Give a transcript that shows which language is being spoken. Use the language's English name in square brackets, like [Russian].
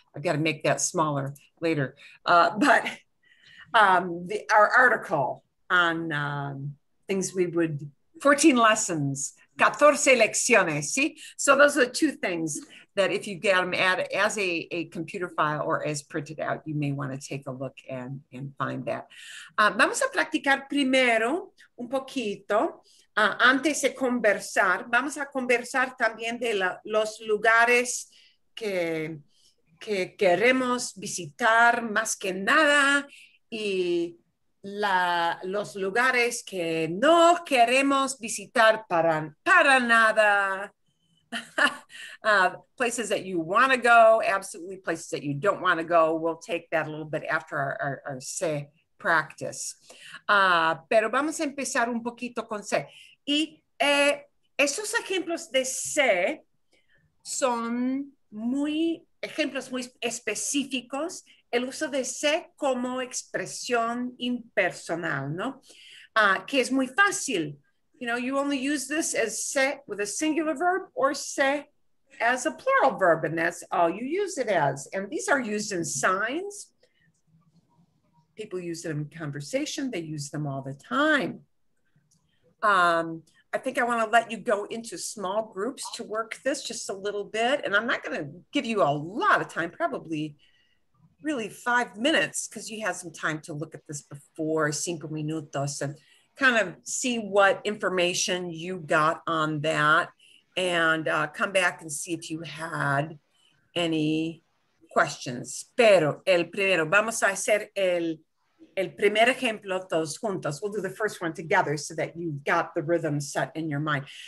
[English] I've got to make that smaller later. Our article on things we would, 14 lessons, [Spanish] 14 lecciones, [English] see? So those are two things that if you get them as a computer file or as printed out, you may want to take a look and find that. [Spanish] Vamos a practicar primero un poquito. Antes de conversar, vamos a conversar también de los lugares que queremos visitar más que nada y los lugares que no queremos visitar para nada. [English] Places that you want to go, absolutely places that you don't want to go. We'll take that a little bit after our say practice. [Spanish] Pero vamos a empezar un poquito con say. Y esos ejemplos de C son ejemplos muy específicos. El uso de C como expresión impersonal, ¿no? Que es muy fácil. [English] You know, you only use this as C with a singular verb or C as a plural verb, and that's all you use it as. And these are used in signs. People use them in conversation. They use them all the time. I think I want to let you go into small groups to work this just a little bit. And I'm not going to give you a lot of time, probably really 5 minutes, because you had some time to look at this before 5 minutos and kind of see what information you got on that and come back and see if you had any questions. [Spanish] Pero el primero, vamos a hacer el primer ejemplo, todos juntos. [English] We'll do the first one together so that you've got the rhythm set in your mind.